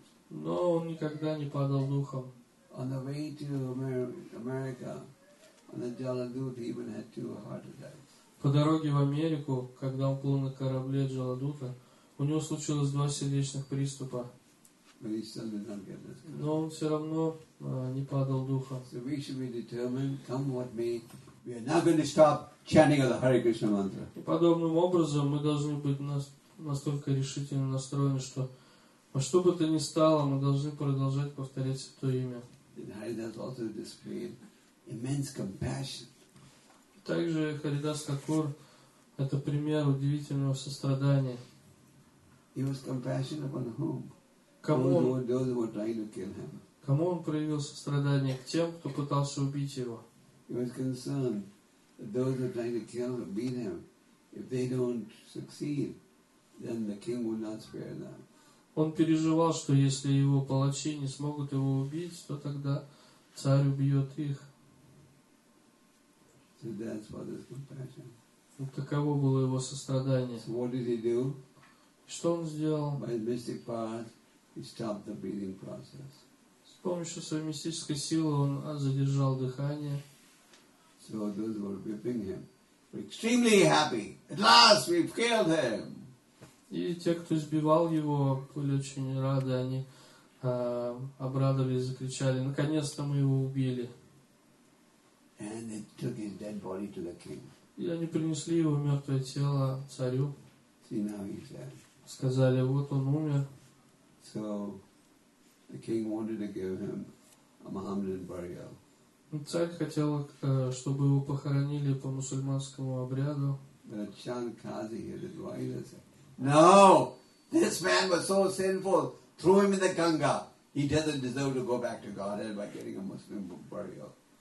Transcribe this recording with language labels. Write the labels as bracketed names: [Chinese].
[Russian] Но он никогда не падал духом. [English] On the way to America, on the Jaladut, he even had two heart attacks. [Russian] По дороге в Америку, когда он плыл на корабле Джаладута, у него случилось два сердечных приступа. [English] But he still did not get this. [Russian] Но он все равно не падал духом. [English] So we should be determined, come what may, we are not going to stop chanting of the Hare Krishna mantra. [Russian] И подобным образом мы должны быть настолько решительно настроены, что а что бы то ни стало, мы должны продолжать повторять святое имя. [English] And Haridas also displayed immense compassion. [Russian] Также Харидас Такур — это пример удивительного сострадания. [English] He was compassionate upon whom? Those who were trying to kill him. [Russian] Кому он проявил сострадание? К тем, кто пытался убить его. [English] He was concerned that those who were trying to kill him, beat him, if they don't succeed, then the king would not spare them. [Russian] Он переживал, что если его палачи не смогут его убить, то тогда царь убьет их. [English] So that's what his compassion. [Russian] Вот таково было его сострадание. [English] So what did he do? [Russian] Что он сделал? [English] By his mystic power, he stopped the breathing process. [Russian] С помощью своей мистической силы он задержал дыхание. [English] So those were whipping him. We're extremely happy. At last we've killed him. [Russian] И те, кто избивал его, были очень рады, они обрадовались и закричали, наконец-то мы его убили. [English] And they took his dead body to the king. [Russian] И они принесли его мертвое тело царю. [English] See, now he's dead. [Russian] Сказали, вот он умер. [English] So, the king wanted to give him a Mohammedan burial. [Russian] Царь хотел, чтобы его похоронили по мусульманскому обряду. [English] No, this man was so sinful. Threw him in the Ganga. He doesn't deserve to go back to Godhead by getting a Muslim burial.